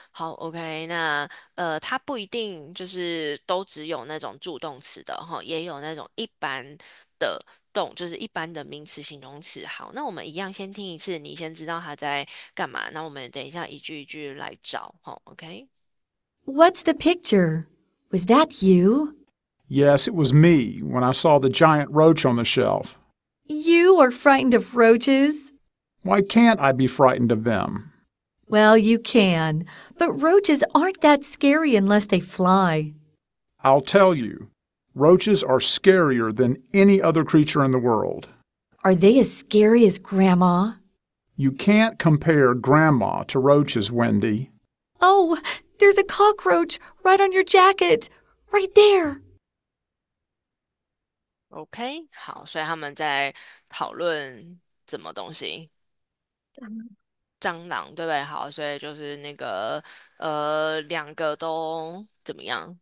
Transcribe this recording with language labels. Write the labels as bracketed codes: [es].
[zh] 好，OK，那它不一定就是都只有那种助动词的哈，也有那种一般的动，就是一般的名词、形容词。好，那我们一样先听一次，你先知道它在干嘛。那我们等一下一句一句来找哈，OK。 [en] What's the picture? Was that you? Yes, it was me when I saw the giant roach on the shelf. You are frightened of roaches? Why can't I be frightened of them? Well, you can, but roaches aren't that scary unless they fly. I'll tell you, roaches are scarier than any other creature in the world. Are they as scary as Grandma? You can't compare grandma to roaches, Wendy. Oh, there's a cockroach right on your jacket, right there. [zh] OK，好，所以他们在讨论什么东西？蟑螂，对不对？好，所以就是那个两个都怎么样？